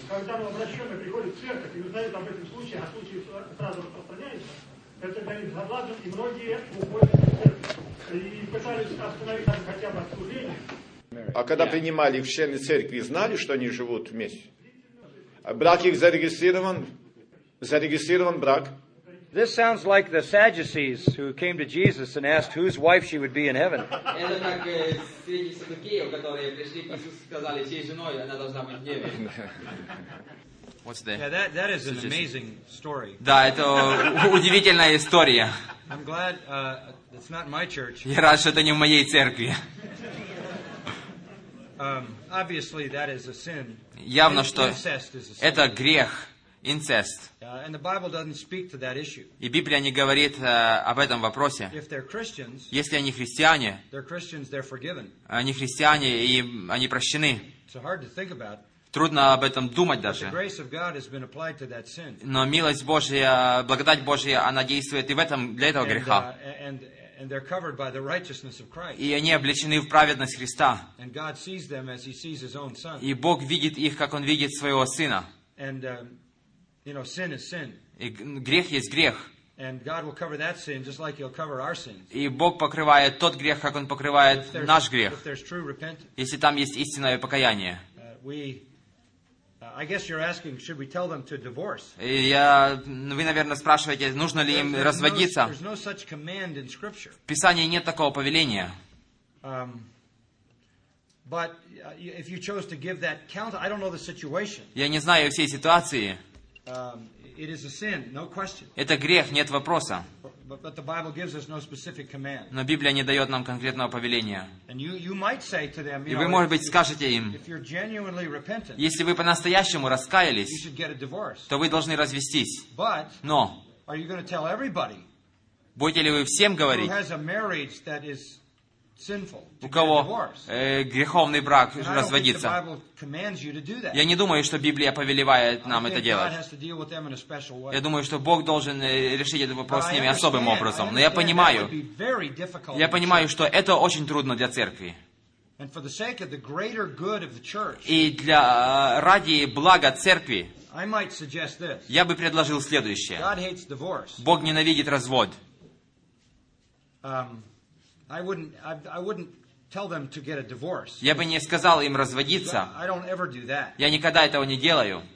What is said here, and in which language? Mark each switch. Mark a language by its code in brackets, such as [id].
[ru] Когда обращенный приходит в церковь и узнает об этом случае, а случай сразу распространяется, это для них заблажен, и многие уходят в церковь. И пытались остановить там хотя бы отслужение. А когда принимали их в члены церкви, знали, что они живут вместе? Брак их зарегистрирован? Зарегистрирован брак? [en] This sounds like the Sadducees who came to Jesus and asked whose wife she would be in heaven. What's that? Yeah, that is an amazing story. [ru] Да, это удивительная история. [en] I'm glad it's not my church. [ru] Я рад, что это не в моей церкви. [en] Obviously, that is a sin. [ru] Явно, что это грех. Incest. [en] And the Bible doesn't speak to that issue. [ru] И Библия не говорит об этом вопросе. [en] If they're Christians, [ru] если они христиане, [en] they're Christians, they're forgiven. [ru] Они христиане, и они прощены. [en] It's hard to think about. [ru] Трудно об этом думать даже. [en] The grace of God has been applied to that sin. [ru] Но милость Божья, благодать Божья, она действует и в этом, для этого греха. [en] And they're covered by the righteousness of Christ. [ru] И они облечены в праведность Христа. [en] And God sees them as He sees His own Son. [ru] И Бог видит их, как Он видит своего Сына. [en] And you know, sin is sin. [ru] И грех есть грех. [en] And God will cover that sin just like He'll cover our sins. [ru] И Бог покрывает тот грех, как Он покрывает наш грех. [en] If there's true repentance. [ru] Если там есть истинное покаяние. [en] I guess you're asking, should we tell them to divorce? [ru] Вы, наверное, спрашиваете, нужно ли им разводиться? [en] There's no such command in Scripture. [ru] В Писании нет такого повеления. [en] But if you chose to give that counsel, I don't know the situation. [ru] Я не знаю всей ситуации. [en] It is a sin, no question. [ru] Это грех, нет вопроса. [en] But the Bible gives us no specific command. [ru] Но Библия не дает нам конкретного повеления. [en] And you might say to them, [ru] и вы, может быть, скажете им, [en] if you're genuinely repentant, [ru] если вы по-настоящему раскаялись, [en] you should get a divorce. [ru] То вы должны развестись. [en] But, [ru] но, [en] are you going to tell everybody, [ru] будете ли вы всем говорить, [en] who has a marriage that is sinful, [ru] у кого греховный брак, разводиться? [en] And I don't think the Bible commands you to do that. [ru] Я не думаю, что Библия повелевает нам это делать. [en] God has to deal with them in a special way. [ru] Я думаю, что Бог должен решить этот вопрос с ними особым образом. Но я понимаю, что это очень трудно для церкви. [en] And for the sake of the greater good of the church, [ru] и для ради блага церкви, [en] I might suggest this. [ru] Я бы предложил следующее. [en] God hates divorce. [ru] Бог ненавидит развод. [en] I wouldn't tell them to get a divorce. [ru] Я бы не сказал им разводиться. [en] I don't ever do that. [ru] Я никогда этого не делаю.